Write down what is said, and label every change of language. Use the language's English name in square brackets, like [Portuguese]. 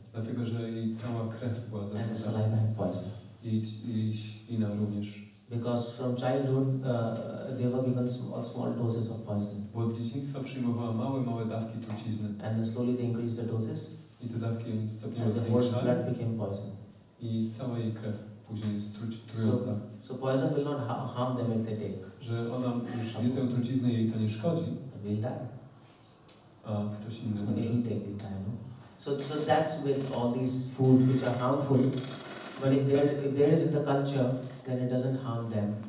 [Polish] Dlatego, że jej cała krew była zatruwana. [English] And the saliva had poison. [Polish] I ślina również. [English] Because from childhood they were given small doses of poison. [Polish] Bo od dzieciństwa przyjmowała małe dawki trucizny. [English] And slowly they increased the doses. [Polish] I te dawki stopniowo zwiększali. [English] And the whole blood became poison. [Polish] I cała jej krew później jest trująca. [English] So poison will not harm them if they take. [Polish] Że ona już nie tę truciznę jej to nie szkodzi. [English] Will die. [Polish] A ktoś inny. [English] Will take in time. So that's with all these food which are harmful. But if there is in the culture, then it doesn't harm them.